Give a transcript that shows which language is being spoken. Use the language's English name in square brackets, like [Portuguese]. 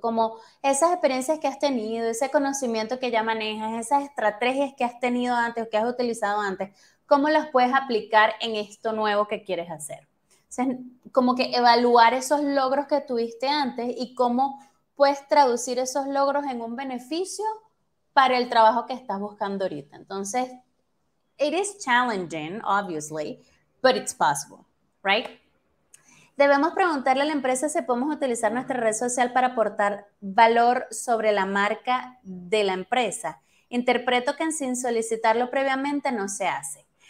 [Spanish] Como esas experiencias que has tenido, ese conocimiento que ya manejas, esas estrategias que has tenido antes o que has utilizado antes, ¿cómo las puedes aplicar en esto nuevo que quieres hacer? O sea, como que evaluar esos logros que tuviste antes y cómo puedes traducir esos logros en un beneficio para el trabajo que estás buscando ahorita. [English] Entonces, it is challenging, obviously, but it's possible, right? [Spanish] Debemos preguntarle a la empresa si podemos utilizar nuestra red social para aportar valor sobre la marca de la empresa. Interpreto que sin solicitarlo previamente no se hace.